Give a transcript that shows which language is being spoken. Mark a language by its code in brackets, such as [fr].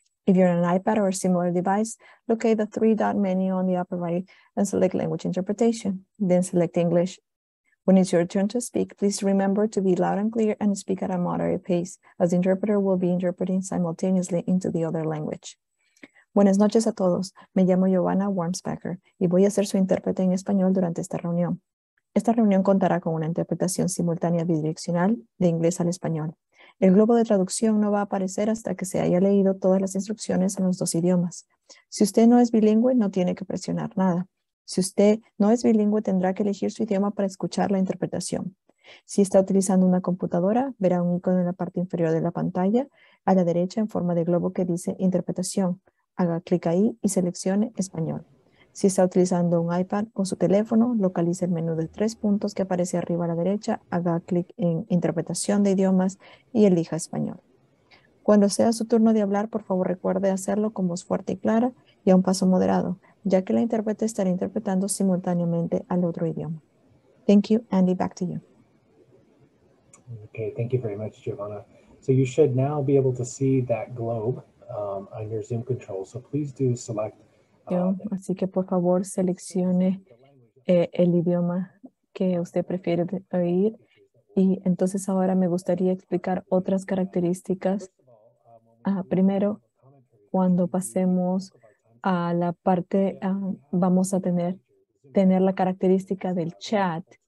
[en] If you're on an iPad or a similar device, locate the three-dot menu on the upper right and select language interpretation, then select English. When it's your turn to speak, please remember to be loud and clear and speak at a moderate pace, as the interpreter will be interpreting simultaneously into the other language. [es] Buenas noches a todos. Me llamo Giovanna Wormsbecker y voy a ser su intérprete en español durante esta reunión. Esta reunión contará con una interpretación simultánea bidireccional de inglés al español. El globo de traducción no va a aparecer hasta que se haya leído todas las instrucciones en los dos idiomas. Si usted no es bilingüe, no tiene que presionar nada. Si usted no es bilingüe, tendrá que elegir su idioma para escuchar la interpretación. Si está utilizando una computadora, verá un icono en la parte inferior de la pantalla, a la derecha en forma de globo que dice Interpretación. Haga clic ahí y seleccione Español. Si está utilizando un iPad o su teléfono, localice el menú de tres puntos que aparece arriba a la derecha, haga clic en Interpretación de idiomas y elija Español. Cuando sea su turno de hablar, por favor recuerde hacerlo con voz fuerte y clara y a un paso moderado, ya que la intérprete estará interpretando simultáneamente al otro idioma. [en] Thank you, Andy, back to you. Okay, thank you very much, Giovanna. So you should now be able to see that globe on your Zoom control, so please do select [es] Así que por favor seleccione el idioma que usted prefiere oír. Y entonces ahora me gustaría explicar otras características. Primero, cuando pasemos a la parte, vamos a tener la característica del chat.